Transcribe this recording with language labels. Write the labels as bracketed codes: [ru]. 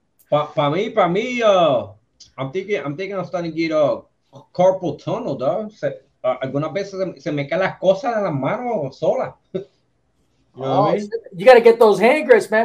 [en] For me, I'm thinking I'm starting to get a carpal tunnel, dog. [es] Algunas veces se me caen las cosas de las manos sola. [en] You know what I mean? You gotta get those hand grips, man.